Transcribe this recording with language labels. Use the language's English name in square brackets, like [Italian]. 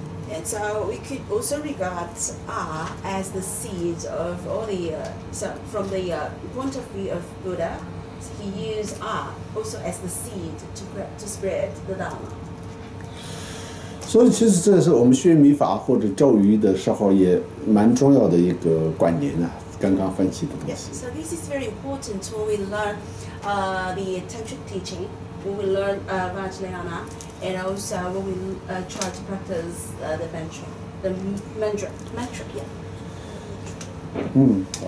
[English] And so we could also regard A as the seed of all the, so from the point of view of Buddha, he used A also as the seed to spread the Dharma. [Chinese] 所以其实这是我们学密法或者咒语的时候也蛮重要的一个观念啊刚刚分析的东西 [English] yes, So this is very important when we learn the tantric teaching when we learn Vajrayana and also when we try to practice the mantra mantra, yeah